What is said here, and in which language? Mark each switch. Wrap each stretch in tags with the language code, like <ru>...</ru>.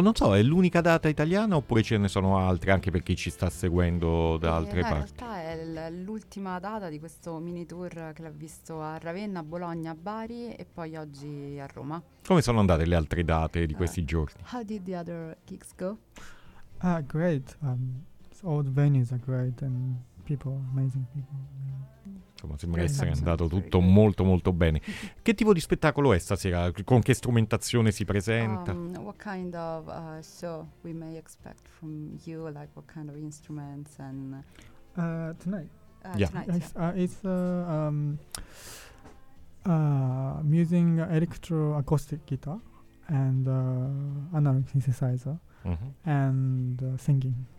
<it>Non so, è l'unica data italiana oppure ce ne sono altre anche per chi ci sta seguendo da altre parti? In realtà è l'ultima data di questo mini tour che l'ha visto a Ravenna, Bologna, Bari e poi oggi a Roma. Come sono andate le altre date di questi giorni?</it> <en>How did the other gigs go? Great. All the venues are great and people, amazing people.</en> <it>Insomma, sembra essere andato tutto molto molto bene. Che tipo di spettacolo è stasera? Con che strumentazione si presenta?</it> <en>What kind of show we may expect from you? Like what kind of instruments and tonight? Tonight, it's using electro acoustic guitar and analog synthesizer and singing.</en>